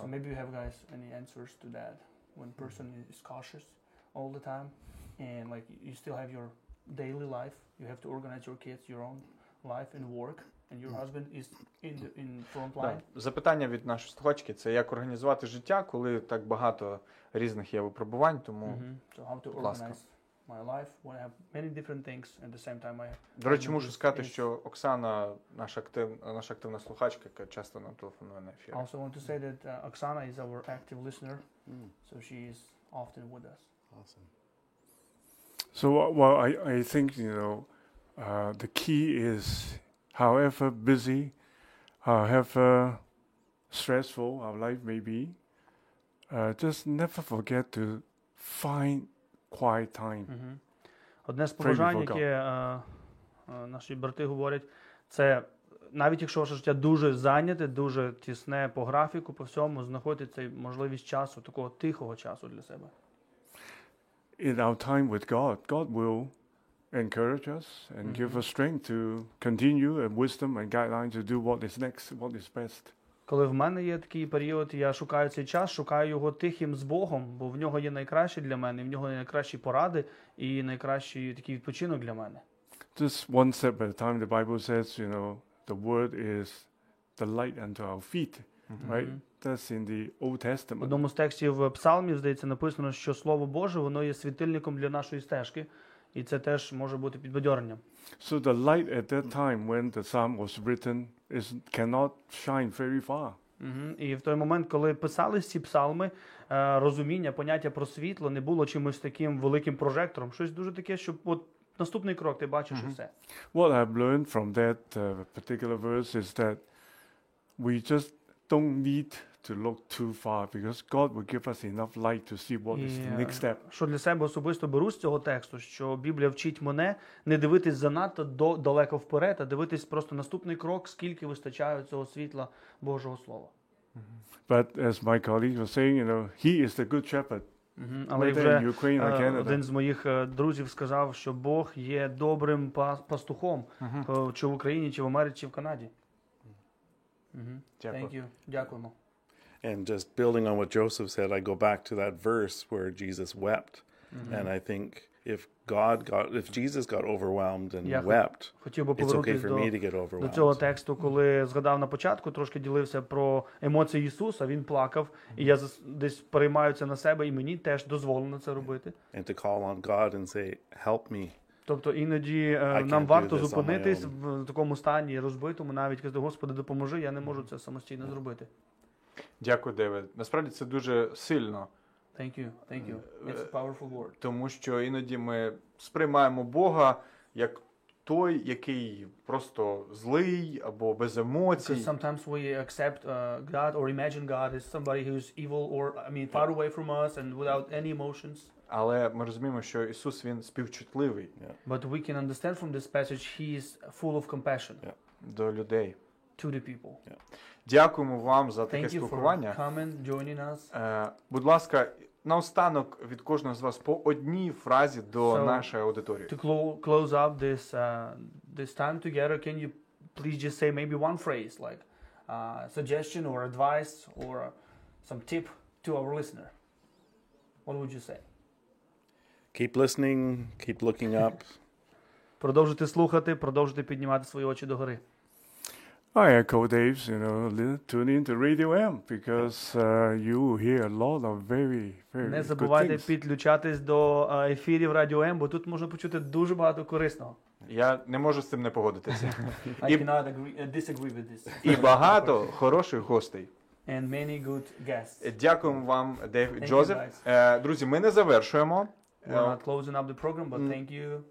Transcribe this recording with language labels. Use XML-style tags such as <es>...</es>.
<en>So maybe you have guys any answers to that when person is cautious all the time and like you still have your daily life, you have to organize your kids, your own life and work and your husband is in the, in front line.</en> <uk>Да. Запитання від нашої слухачки це як організувати життя, коли так багато різних є випробувань, тому</uk> <en>So how to organize my life when I have many different things at the same time.</en> <uk>До речі, можу сказати, що Оксана, наша активна слухачка, яка часто нам телефонує на ефір.</uk> <en>I also want to say that Оксана is our active listener, so she is often with us. Awesome. So, well, I think, you know, the key is however busy, however stressful our life may be, just never forget to find quiet time.</en> <uk>Одне з побажань, яке наші брати говорять, це навіть якщо ваше життя дуже зайняте, дуже тісне по графіку, по всьому, знаходьте цей можливість часу, такого тихого часу для себе.</uk> <en>In our time with God, God will encourage us and give us strength to continue and wisdom and guidelines to do what is next, what is best.</en> <uk>Коли в мене є такий період, я шукаю цей час, шукаю його тихим з Богом, бо в нього є найкраще для мене, в нього є найкращі поради і найкращий такий відпочинок для мене.</uk> <en>Just one step at a time, the Bible says, you know, the word is the light unto our feet, right? That's in the Old Testament.</en> <uk>В одному з текстів Псалмі, здається, написано, що Слово Боже, воно є світильником для нашої стежки, і це теж може бути підбадьоренням.</uk> <en>So the light at that time when the psalm was written is cannot shine very far.</en> <uk>І в той момент, коли писались ці псалми, розуміння, поняття про світло не було чимось таким великим прожектором, щось дуже таке, щоб от наступний крок ти бачиш і все.</uk> <en>What I've learned from that particular verse is that we just don't need to look too far because God will give us enough light to see what is the next step.</en> <uk>Що для себе особисто беру з цього тексту, що Біблія вчить мене не дивитись занадто далеко вперед, а дивитись просто наступний крок, скільки вистачає цього світла Божого слова.</uk> <en>But as my colleague was saying, you know, he is the good shepherd.</en> <uk>Але вже Ukraine, один з моїх друзів сказав, що Бог є добрим пастухом, чи в Україні, чи в Америці, чи в Канаді. Дякую.</uk> <en>Thank you.</en> <uk>Дякуємо.</uk> <en>And just building on what Joseph said, I go back to that verse where Jesus wept. And I think if Jesus got overwhelmed and wept, it's okay for me to get overwhelmed.</en> <uk>До цього тексту, коли згадав на початку, трошки ділився про емоції Ісуса, він плакав, і я десь приймаю це на себе, і мені теж дозволено це робити.</uk> <en>And to call on God and say, help me.</en> <uk>Тобто іноді нам варто зупинитись в такому стані розбитому, навіть казати, Господи, допоможи, я не можу це самостійно зробити. Дякую, Девід. Насправді це дуже сильно.</uk> <en>Thank you. It's a powerful word.</en> <uk>Тому що іноді ми сприймаємо Бога як той, який просто злий або без емоцій.</uk> <en>Because sometimes we accept God or imagine God as somebody who's evil or I mean far away from us and without any emotions.</en> <uk>Але ми розуміємо, що Ісус він співчутливий.</uk> <en>But we can understand from this passage he is full of compassion.</en> <uk>До людей.</uk> <en>To the people.</en> <uk>Дякуємо вам за таке спілкування. Будь ласка, наостанок від кожного з вас по одній фразі до нашої аудиторії.</uk> <en>To close up this this time together, can you please just say maybe one phrase like suggestion or advice or some tip to our listener? What would you say? Keep listening, keep looking up.</en> <uk>Продовжуйте слухати, продовжуйте піднімати свої очі догори.</uk> <en>I echo Dave's, you know, tune into Radio M because you will hear a lot of very, very good things.</en> <uk>Не забувайте підключатись до ефірів Радіо М, бо тут можна почути дуже багато корисного. Я не можу з цим не погодитися.</uk> <en>I cannot disagree with this.</en> <uk>І багато хороших гостей.</uk> <en>And many good guests.</en> <uk>Дякуємо вам, Дейв і Джозеф. Друзі, ми не завершуємо.</uk> <en>We're not closing up the program, but thank you.</en>